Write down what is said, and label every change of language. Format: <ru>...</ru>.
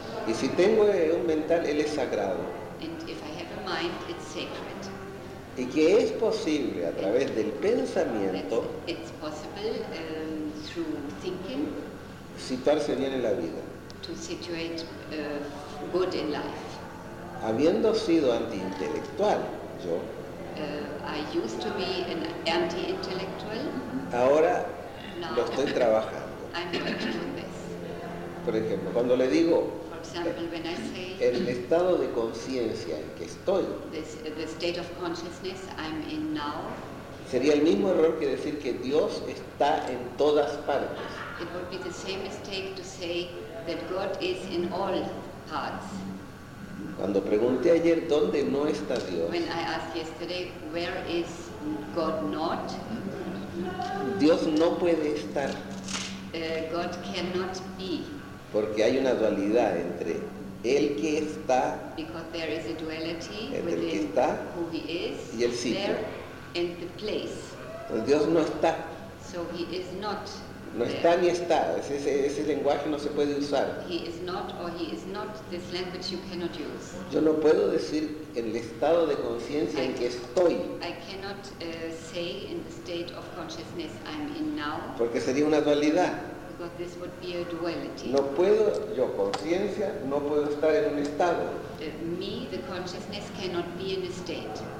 <es>Y si tengo un mental, él es sagrado.</es> <en>And if I have a mind, it's sacred.</en> <es>Y que es posible a través del pensamiento</es> <en>it's possible, through thinking,</en> <es>situarse bien en la vida.</es> <en>To situate good in life.</en> <es>Habiendo sido anti-intelectual, yo.</es> <en>I used to be an anti-intellectual.</en> <es>Ahora lo estoy trabajando.</es> <en>I'm working on this.</en> <es>Por ejemplo, cuando le digo,</es> <en>for example, when I say,</en> <es>el estado de conciencia en que estoy,</es> <en>the state of consciousness I'm in now,</en> <es>sería el mismo error que decir que Dios está en todas partes.</es> <en>It would be the same mistake to say that God is in all parts.</en> <es>Cuando pregunté ayer dónde no está Dios,</es> <en>when I asked yesterday, where is God not?</en> <es>Dios no puede estar.</es> <en>God cannot be.</en> <es>Porque hay una dualidad entre el que está,</es> <en>because there is a duality</en> <es>entre el que está,</es> <en>who he is,</en> <es>y el sitio.</es> <en>There and the place.</en> <es>Pues Dios no está.</es> <en>So he is not.</en> <es>No está ni está. Ese lenguaje no se puede usar.</es> <en>He is not or he is not. This language you cannot use.</en> <es>Yo no puedo decir el estado de conciencia en que estoy.</es> <en>I cannot say in the state of consciousness I'm in now.</en> <es>Porque sería una dualidad.</es> <en>Because this would be a duality.</en> <es>No puedo yo conciencia no puedo estar en un estado.</es> <en>Me the consciousness cannot be in a state.</en>